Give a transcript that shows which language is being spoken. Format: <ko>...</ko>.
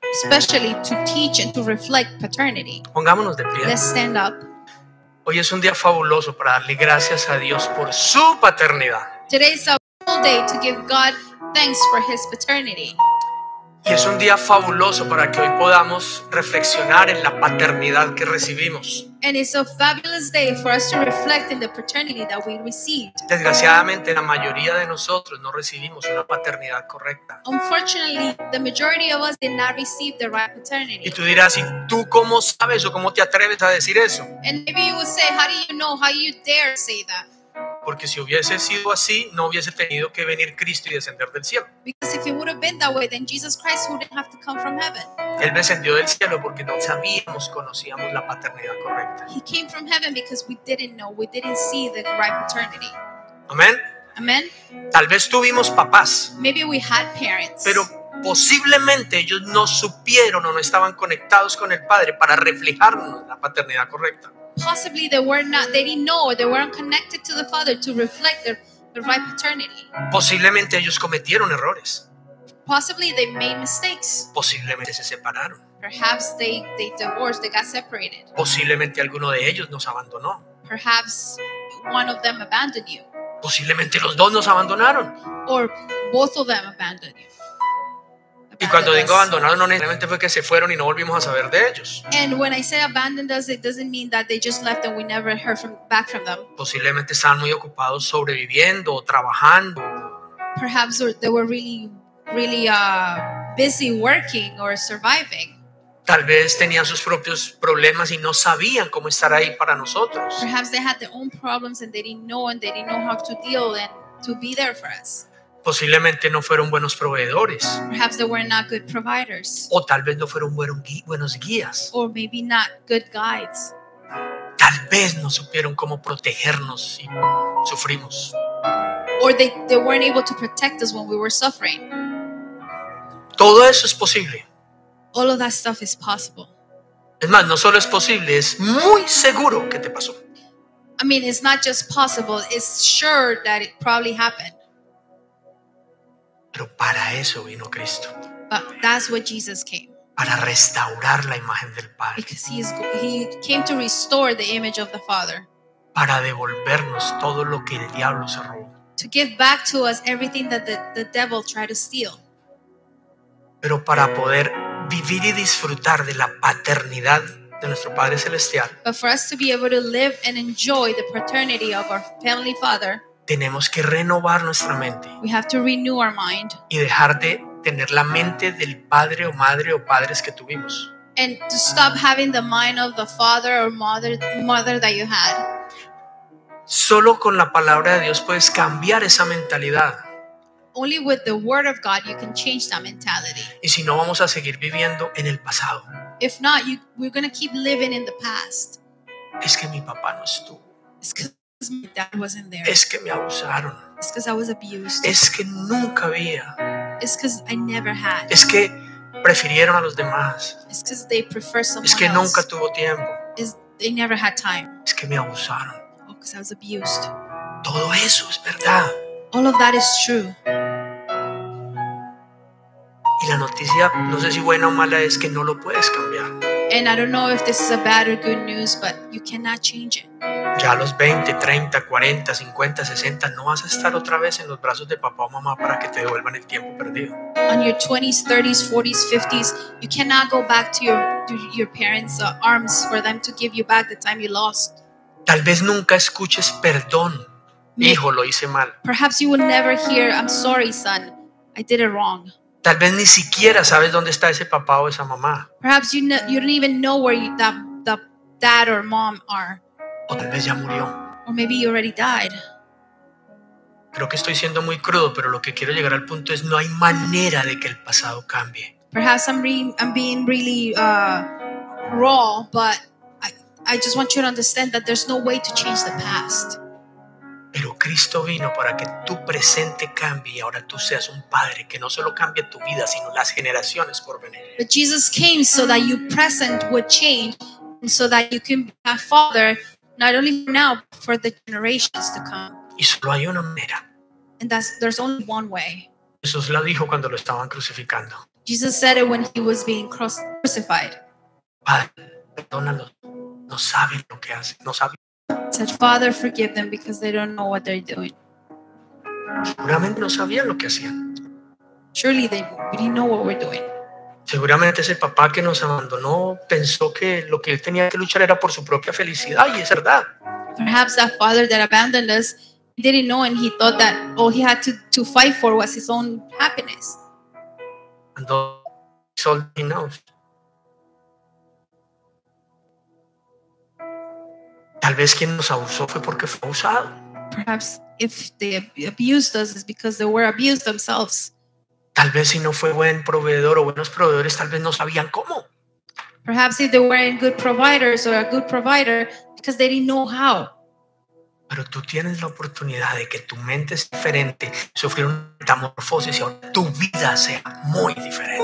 <en>Especially to teach and to reflect paternity.</en> <es>Pongámonos de pie.</es> <en>Let's stand up.</en> <es>Hoy es un día fabuloso para darle gracias a Dios por su paternidad.</es> <en>Today is a wonderful day to give God thanks for His paternity.</en> <es>Y es un día fabuloso para que hoy podamos reflexionar en la paternidad que recibimos.</es> <en>And it's a fabulous day for us to reflect in the paternity that we received.</en> <es>Desgraciadamente, la mayoría de nosotros no recibimos una paternidad correcta.</es> <en>Unfortunately, the majority of us did not receive the right paternity.</en> <es>Y tú dirás, ¿y tú cómo sabes o cómo te atreves a decir eso?</es> <en>And maybe you would say, how do you know, how you dare say that?</en> <es>Porque si hubiese sido así, no hubiese tenido que venir Cristo y descender del cielo.</es> <en>Because if it would have been that way, then Jesus Christ wouldn't have to come from heaven.</en> <es>Él descendió del cielo porque no sabíamos, conocíamos la paternidad correcta.</es> <en>He came from heaven because we didn't know, we didn't see the right paternity.</en> <es>Amén.</es> <en>Amen.</en> <es>Tal vez tuvimos papás.</es> <en>Maybe we had parents.</en> <es>Pero posiblemente ellos no supieron o no estaban conectados con el Padre para reflejarnos la paternidad correcta.</es> <en>Possibly they didn't know, or they weren't connected to the Father to reflect their right paternity.</en> <es>Posiblemente ellos cometieron errores.</es> <en>Possibly they made mistakes.</en> <es>Posiblemente se separaron.</es> <en>Perhaps they divorced, they got separated.</en> <es>Posiblemente alguno de ellos nos abandonó.</es> <en>Perhaps one of them abandoned you.</en> <es>Posiblemente los dos nos abandonaron.</es> <en>Or both of them abandoned you.</en> <es>Y cuando digo abandonado, no necesariamente fue que se fueron y no volvimos a saber de ellos.</es> <en>And when I say abandoned us, it doesn't mean that they just left and we never heard back from them.</en> <es>Posiblemente estaban muy ocupados sobreviviendo o trabajando.</es> <en>Perhaps they were really, really busy working or surviving.</en> <es>Tal vez tenían sus propios problemas y no sabían cómo estar ahí para nosotros.</es> <en>Perhaps they had their own problems and they didn't know how to deal and to be there for us.</en> <es>Posiblemente no fueron buenos proveedores.</es> <en>Perhaps they were not good providers.</en> <es>O tal vez no fueron buenos guías.</es> <en>Or maybe not good guides.</en> <es>Tal vez no supieron cómo protegernos si sufrimos.</es> <en>Or they weren't able to protect us when we were suffering.</en> <es>Todo eso es posible.</es> <en>All of that stuff is possible.</en> <es>Es más, no solo es posible, es muy seguro que te pasó.</es> <en>I mean, it's not just possible, it's sure that it probably happened.</en> <es>Pero para eso vino Cristo.</es> <en>But that's what Jesus came.</en> <es>Para restaurar la imagen del Padre.</es> <en>Because he came to restore the image of the Father.</en> <es>Para devolvernos todo lo que el diablo se robó.</es> <en>To give back to us everything that the devil tried to steal.</en> <es>Pero para poder vivir y disfrutar de la paternidad de nuestro Padre Celestial.</es> <en>But for us to be able to live and enjoy the paternity of our Heavenly Father.</en> <es>Tenemos que renovar nuestra mente.</es> <en>We have to renew our mind.</en> <es>Y dejar de tener la mente del padre o madre o padres que tuvimos.</es> <en>And to stop having the mind of the father or mother that you had.</en> <es>Solo con la palabra de Dios puedes cambiar esa mentalidad.</es> <en>Only with the word of God you can change that mentality.</en> <es>Y si no, vamos a seguir viviendo en el pasado.</es> <en>If not, we're going to keep living in the past.</en> <es>Es que mi papá no estuvo.</es> <en>It's because my dad wasn't there.</en> <es>Es que me abusaron.</es> <en>It's because I was abused.</en> <es>Es que nunca había.</es> <en>It's because I never had.</en> <es>Es que prefirieron a los demás.</es> <en>It's because they prefer someone else.</en> <es>Es que</es> <en>else.</en> <es>Nunca tuvo tiempo.</es> <en>It's, they never had time.</en> <es>Es que me abusaron.</es> <en>Oh, because I was abused.</en> <es>Todo eso es verdad.</es> <en>All of that is true.</en> <es>Y la noticia, no sé si buena o mala, es que no lo puedes cambiar.</es> <en>And I don't know if this is a bad or good news, but you cannot change it.</en> <es>Ya a los 20, 30, 40, 50, 60 no vas a estar otra vez en los brazos de papá o mamá para que te devuelvan el tiempo perdido.</es> <en>On your 20s, 30s, 40s, 50s, you cannot go back to your parents' arms for them to give you back the time you lost.</en> <es>Tal vez nunca escuches perdón. Hijo, lo hice mal.</es> <en>Perhaps you will never hear, I'm sorry, son. I did it wrong.</en> <es>Tal vez ni siquiera sabes dónde está ese papá o esa mamá.</es> <en>Perhaps you don't even know where the dad or mom are.</en> <es>O tal vez ya murió.</es> <en>Or maybe you already died.</en> <es>Creo que estoy siendo muy crudo, pero lo que quiero llegar al punto es no hay manera de que el pasado cambie.</es> <en>Perhaps I'm being really raw, but I just want you to understand that there's no way to change the past.</en> <es>Pero Cristo vino para que tu presente cambie y ahora tú seas un padre que no solo cambie tu vida sino las generaciones por venir.</es> <en>But Jesus came so that your present would change and so that you can be a father not only for now but for the generations to come.</en> <es>Y solo hay una manera.</es> <en>And that's, there's only one way.</en> <es>Jesús lo dijo cuando lo estaban crucificando.</es> <en>Jesus said it when he was being crucified.</en> <es>Padre, perdónalos. No saben lo que hacen. No saben.</es> <en>Said, Father, forgive them because they don't know what they're doing.</en> <es>Seguramente no sabían lo que hacían.</es> <en>Surely they didn't know what we're doing.</en> <es>Seguramente ese papá que nos abandonó pensó que lo que él tenía que luchar era por su propia felicidad, y es verdad.</es> <en>Perhaps that father that abandoned us didn't know and he thought that all he had to fight for was his own happiness. And that's all he knows.</en> <es>Tal vez quien nos abusó fue porque fue abusado.</es> <en>Perhaps if they abused us is because they were abused themselves.</en> <es>Tal vez si no fue buen proveedor o buenos proveedores, tal vez no sabían cómo.</es> <en>Perhaps if they weren't good providers or a good provider because they didn't know how.</en> <es>Pero tú tienes la oportunidad de que tu mente es diferente, sufrir una metamorfosis y ahora tu vida sea muy diferente.</es>